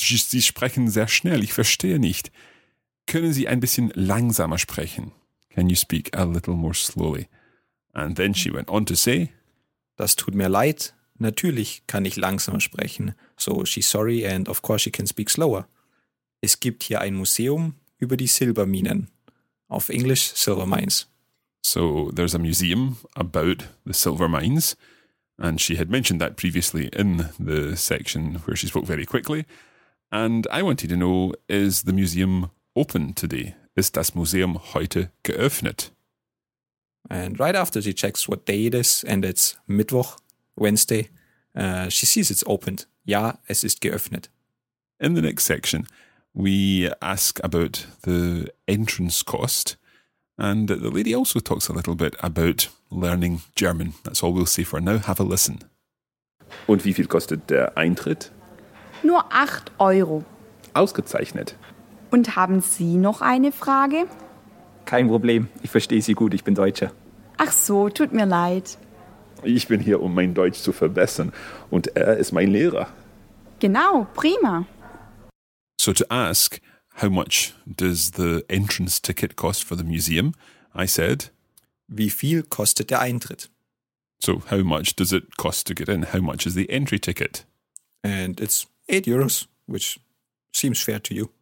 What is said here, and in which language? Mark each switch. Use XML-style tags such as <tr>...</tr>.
<de>Sie sprechen sehr schnell. Ich verstehe nicht. Können Sie ein bisschen langsamer sprechen?</de> <en>Can you speak a little more slowly? And then she went on to say,</en> <de>das tut mir leid. Natürlich kann ich langsamer sprechen.</de> <en>So she's sorry and of course she can speak slower.</en> <de>Es gibt hier ein Museum über die Silberminen. Auf Englisch Silver Mines.</de> <en>So there's a museum about the silver mines. And she had mentioned that previously in the section where she spoke very quickly. And I wanted to know, is the museum open today?</en> <de>Ist das Museum heute geöffnet?</de> <en>And right after she checks what day it is, and it's Mittwoch, Wednesday, she sees it's opened.</en> <de>Ja, es ist geöffnet.</de> <en>In the next section, we ask about the entrance cost. And the lady also talks a little bit about learning German. That's all we'll say for now. Have a listen.</en> <de>Und wie viel kostet der Eintritt? Nur 8 €. Ausgezeichnet. Und haben Sie noch eine Frage? Kein Problem. Ich verstehe Sie gut. Ich bin Deutscher. Ach so, tut mir leid. Ich bin hier, um mein Deutsch zu verbessern. Und er ist mein Lehrer. Genau, prima.</de> <en>So to ask, how much does the entrance ticket cost for the museum? I said,</en> <de>wie viel kostet der Eintritt?</de> <en>So how much does it cost to get in? How much is the entry ticket? And it's 8 €, which seems fair to you.</en>